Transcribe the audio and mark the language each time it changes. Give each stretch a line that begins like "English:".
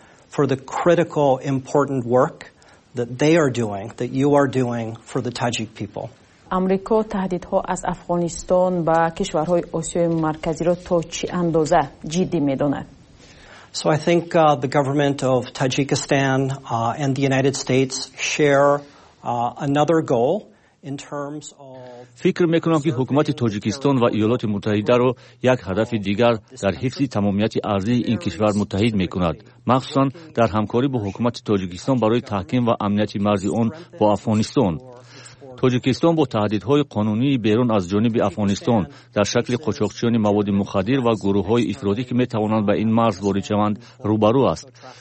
English: For the critical important work that they are doing, that you are doing for the Tajik people.
Persian: آمریکا تهدیدها از افغانستان به کشورهای آسیای مرکزی را تا چه اندازه جدی میداند؟
English: So I think the government of Tajikistan and the United States share another goal in terms of
Persian: فکر میکنم که حکومت تاجیکستان و ایالات متحده را یک هدف دیگر در حفظ تمامیت ارضی این کشور متحد میکند، مخصوصا در همکاری با حکومت تاجیکستان برای تحکیم و امنیت مرز آن با افغانستان. تاجیکستان با تهدیدهای قانونی بیرون از جانب افغانستان در شکل قاچاقچیان مواد مخدر و گروههای افرادی که می توانند به این مرز وارد شوند روبرو است.